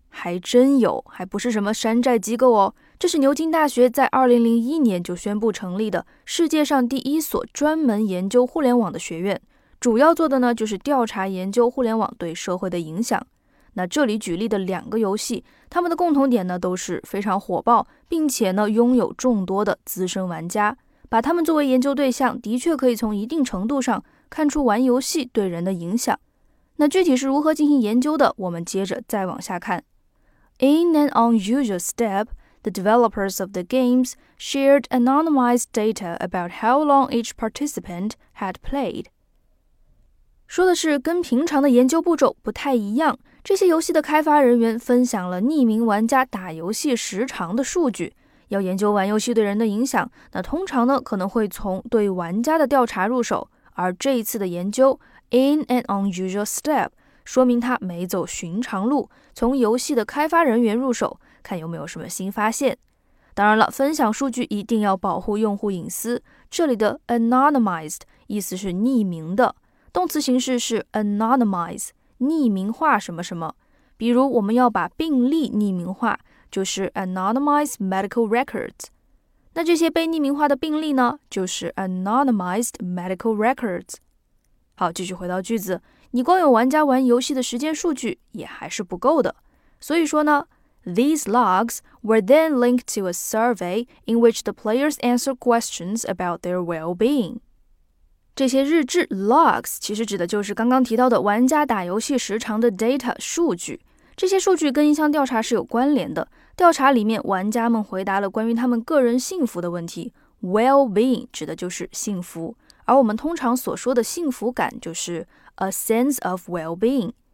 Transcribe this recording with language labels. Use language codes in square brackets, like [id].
[zh] 还真有，还不是什么山寨机构哦。这是牛津大学在2001年就宣布成立的世界上第一所专门研究互联网的学院，主要做的呢就是调查研究互联网对社会的影响。那这里举例的两个游戏他们的共同点呢都是非常火爆，并且呢拥有众多的资深玩家。把他们作为研究对象，的确可以从一定程度上看出玩游戏对人的影响。那具体是如何进行研究的，我们接着再往下看。 [en] In an unusual step, the developers of the games shared anonymized data about how long each participant had played. [zh] 说的是跟平常的研究步骤不太一样，这些游戏的开发人员分享了匿名玩家打游戏时长的数据。要研究玩游戏对人的影响，那通常呢可能会从对玩家的调查入手，而这一次的研究 [en] In an unusual step [zh] 说明他没走寻常路，从游戏的开发人员入手，看有没有什么新发现。当然了，分享数据一定要保护用户隐私，这里的 anonymized 意思是匿名的，动词形式是 anonymize 匿名化什么什么。比如我们要把病例匿名化，就是 [en] anonymized medical records。 [zh] 那这些被匿名化的病例呢，就是 [en] anonymized medical records。 [zh] 好，继续回到句子，你光有玩家玩游戏的时间数据也还是不够的，所以说呢， [en] These logs were then linked to a survey in which the players answer questions about their well-being。 [zh] 这些日志 logs 其实指的就是刚刚提到的玩家打游戏时长的 data 数据。这些数据跟一项调查是有关联的，调查里面玩家们回答了关于他们个人幸福的问题， well-being 指的就是幸福，而我们通常所说的幸福感就是 [en] a sense of well-being。